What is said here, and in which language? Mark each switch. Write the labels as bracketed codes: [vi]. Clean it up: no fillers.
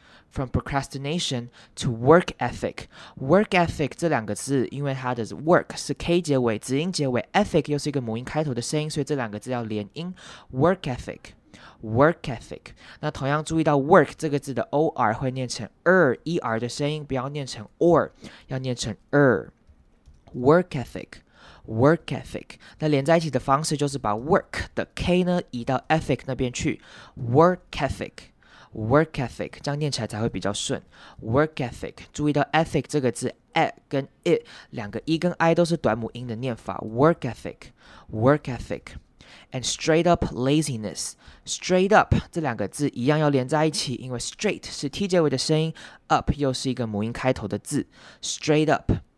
[en] From procrastination to work ethic. [zh] Work ethic 这两个字，因为它的 work 是 k 结尾，子音结尾 ；ethic 又是一个母音开头的声音，所以这两个字要连音。 [en] Work ethic, work ethic. [zh] 那同样注意到 work 这个字的 o r 会念成 er 的声音，不要念成 or， 要念成 er。Work ethic. Work ethic， 那连在一起的方式就是把 work 的 k 呢移到 ethic 那边去 ，work ethic， 这样念起来才会比较顺。 Work ethic， 注意到 ethic 这个字 ，e 跟 i 两个 e 跟 i 都是短母音的念法。 [en] Work ethic。 And straight up laziness. [zh] Straight up 这两个字一样要连在一起，因为 straight 是 t 结尾的声音 ，up 又是一个母音开头的字 ，straight up。